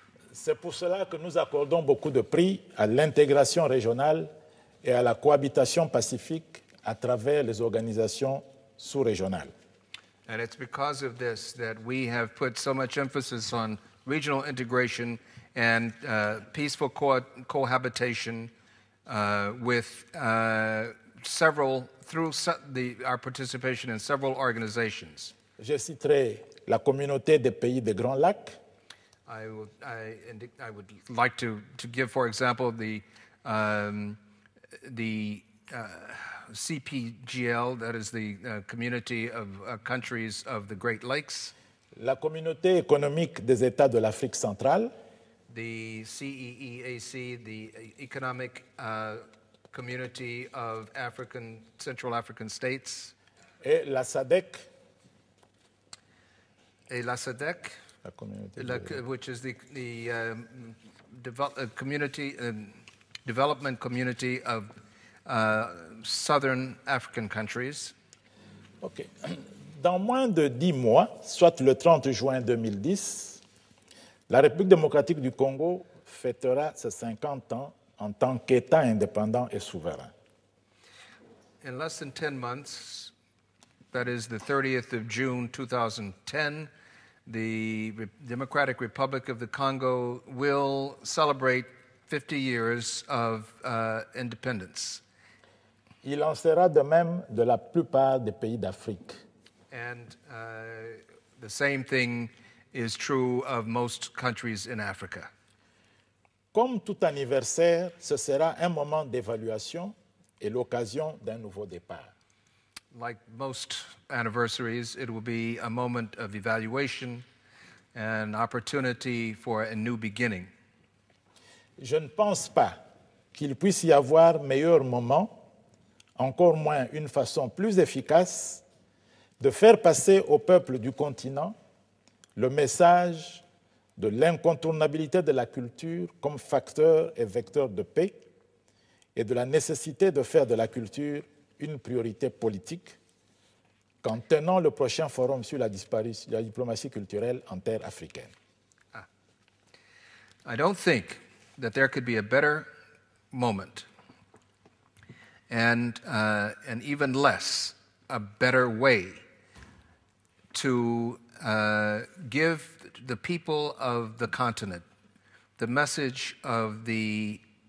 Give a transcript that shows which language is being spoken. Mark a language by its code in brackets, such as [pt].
[fr] C'est pour cela que nous accordons beaucoup de prix à l'intégration régionale et à la cohabitation pacifique à travers les organisations sous-régionales. [en] And it's because of this that we have put so much emphasis on regional integration and peaceful cohabitation through our participation in several organizations. [fr] Je citerai la communauté des pays des Grands Lacs. [en] I would like to give, for example, the CPGL, that is the community of countries of the Great Lakes. [fr] La communauté économique des États de l'Afrique centrale. [en] The CEEAC, the Economic Community of African Central African States. [fr] Et la SADC. Et la [en] SADC. Which is the development community of southern African countries. Okay. [fr] Dans moins de 10 mois, soit le 30 juin 2010, la République démocratique du Congo fêtera ses 50 ans en tant qu'État indépendant et souverain. [en] In less than 10 months, that is the 30th of June 2010, the Democratic Republic of the Congo will celebrate 50 years of independence. [fr] Il en sera de même de la plupart des pays d'Afrique. [en] And the same thing is true of most countries in Africa. [fr] Comme tout anniversaire, ce sera un moment d'évaluation et l'occasion d'un nouveau départ. [en] Like most anniversaries, it will be a moment of evaluation, an opportunity for a new beginning. [fr] Je ne pense pas qu'il puisse y avoir meilleur moment, encore moins une façon plus efficace, de faire passer au peuple du continent le message de l'incontournabilité de la culture comme facteur et vecteur de paix et de la nécessité de faire de la culture une priorité politique qu'en tenant le prochain forum sur la disparition de la diplomatie culturelle en terre africaine. [en] I don't think that there could be a better moment and even less a better way to give the people of the continent the message of the